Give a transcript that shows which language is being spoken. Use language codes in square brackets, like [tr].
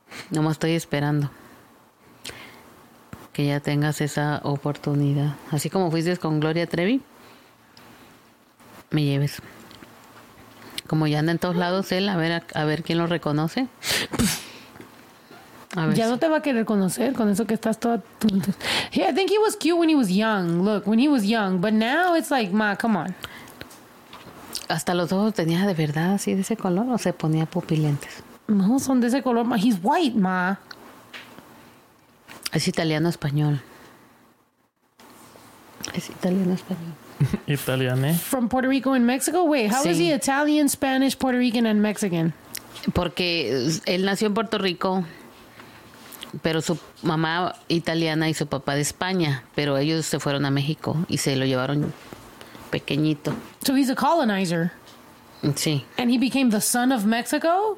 [es] Nomás estoy esperando que ya tengas esa oportunidad. Así como fuiste con Gloria Trevi, me lleves. Como ya anda en todos lados él, a ver quién lo reconoce. A ver. Ya no te va a querer conocer con eso que estás toda... [en] Yeah, I think he was cute when he was young. Look, when he was young. But now it's like, ma, come on. [es] Hasta los ojos tenía de verdad así de ese color o se ponía pupilentes. No, son de ese color, ma. [en] He's white, ma. [es] Es italiano-español. Es italiano-español. [en] Italian, eh? From Puerto Rico and Mexico? Wait, how sí. is he Italian, Spanish, Puerto Rican, and Mexican? [es] Porque él nació en Puerto Rico, pero su mamá italiana y su papá de España, pero ellos se fueron a México y se lo llevaron pequeñito. [en] So he's a colonizer? [es] Sí. [en] And he became the son of Mexico?